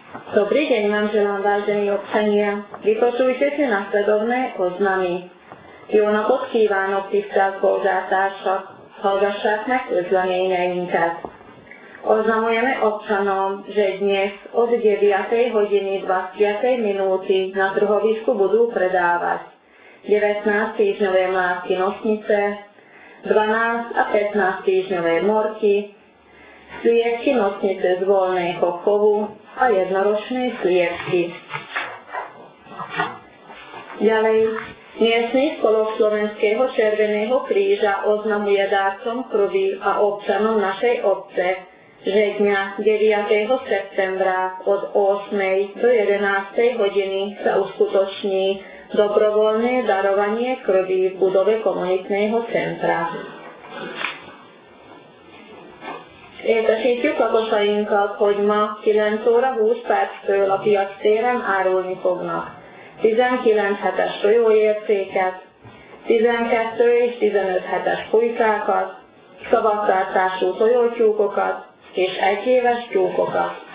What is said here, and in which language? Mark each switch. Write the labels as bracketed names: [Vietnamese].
[Slovak] Dobrý deň vám želám, vážení občania. Vypočujte si nasledovné oznamy. Jóna podkýváno pískal pozátáša Holga Šatnak zlamenia inkát. Oznamujeme občanom, že dnes od 9. hodiny 20. minúty na trhovisku budú predávať 19 týždňové mlátky nosnice, 12 a 15 týždňové morky, sliepky nosnice z voľného chovu a jednoročné sliepky. Ďalej, miestny spolok Slovenského Červeného kríža oznamuje dárcom krvi a občanom našej obce, že dňa 9. septembra od 8. do 11. hodiny sa uskutoční dobrovoľné darovanie krvi v budove komunitného centra. [Hungarian] Értesítjük lakosainkat, hogy ma 9 óra 20 perctől a piac téren árulni fognak 19 hetes tojóértéket, 12 és 15 hetes pulykákat, szabadtartású tojótyúkokat és egyéves tyúkokat.